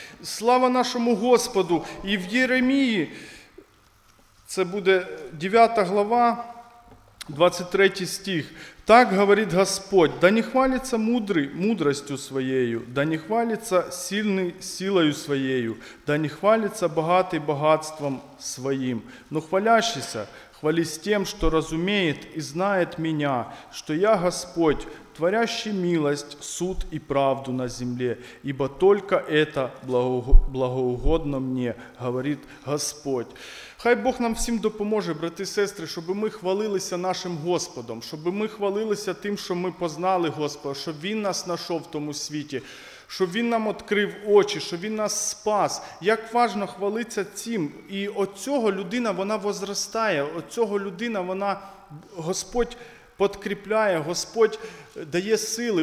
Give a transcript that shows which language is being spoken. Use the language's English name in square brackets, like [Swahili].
[Ukrainian] Слава нашому Господу! І в Єремії, це буде 9 глава, 23 стих. Так говорить Господь, да не хвалиться мудрий мудростю своєю, да не хвалиться сильний силою своєю, да не хвалиться багатий багатством своїм. [Russian] Но хвалящийся, хвались тем, что разумеет и знает меня, что я Господь, творящий милость, суд и правду на земле, ибо только это благоугодно мне, говорит Господь. [Ukrainian] Хай Бог нам всім допоможе, брати і сестри, щоб ми хвалилися нашим Господом, щоб ми хвалилися тим, що ми познали Господа, щоб Він нас знайшов в тому світі, щоб Він нам відкрив очі, щоб Він нас спас. Як важливо хвалитися цим. І от цього людина, вона возростає, от цього людина, вона Господь підкріпляє, Господь дає сили.